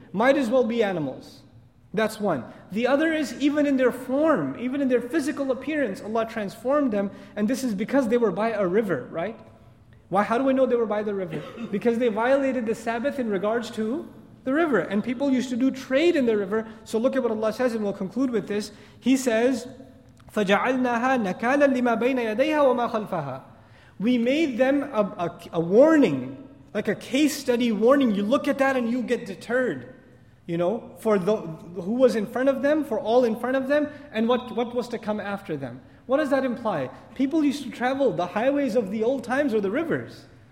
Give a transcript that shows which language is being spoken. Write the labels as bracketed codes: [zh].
[en] Might as well be animals. That's one. The other is even in their form, even in their physical appearance, Allah transformed them. And this is because they were by a river, right? Why? How do we know they were by the river? Because they violated the Sabbath in regards to the river. And people used to do trade in the river. So look at what Allah says, and we'll conclude with this. He says, [ar] فَجَعَلْنَاهَا نَكَالًا لِمَا بَيْنَ يَدَيْهَا وَمَا خَلْفَهَا. [en] We made them a warning, like a case study warning. You look at that and you get deterred, you know, for who was in front of them, for all in front of them, and what was to come after them. What does that imply? People used to travel the highways of the old times or the rivers.